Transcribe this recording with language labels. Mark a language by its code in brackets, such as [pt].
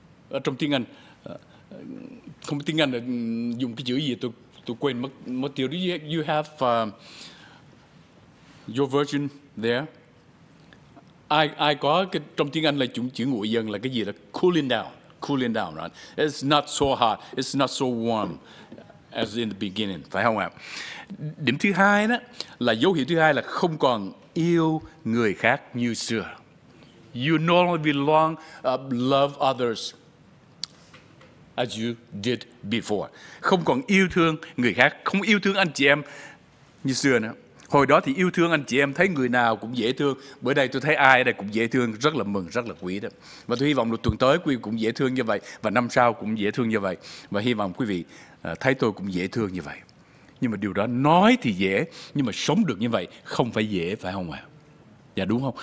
[vi] Ở trong tiếng Anh, không biết tiếng Anh là dùng cái chữ gì tôi quên mất tiêu. [en] You have your version there. [vi] Ai có cái, trong tiếng Anh là chữ nguội dần là cái gì, là [en] cooling down, right? It's not so hot, it's not so warm as in the beginning, [vi] phải không ạ? Điểm thứ hai đó là dấu hiệu thứ hai là không còn yêu người khác như xưa. [en] You no longer belong love others as you did before. [vi] Không còn yêu thương người khác, không yêu thương anh chị em như xưa nữa. Hồi đó thì yêu thương anh chị em, thấy người nào cũng dễ thương. Bữa nay tôi thấy ai ở đây cũng dễ thương, rất là mừng, rất là quý đó. Và tôi hy vọng là tuần tới quý vị cũng dễ thương như vậy, và năm sau cũng dễ thương như vậy. Và hy vọng quý vị thấy tôi cũng dễ thương như vậy. Nhưng mà điều đó nói thì dễ, nhưng mà sống được như vậy không phải dễ, phải không ạ? Dạ đúng không?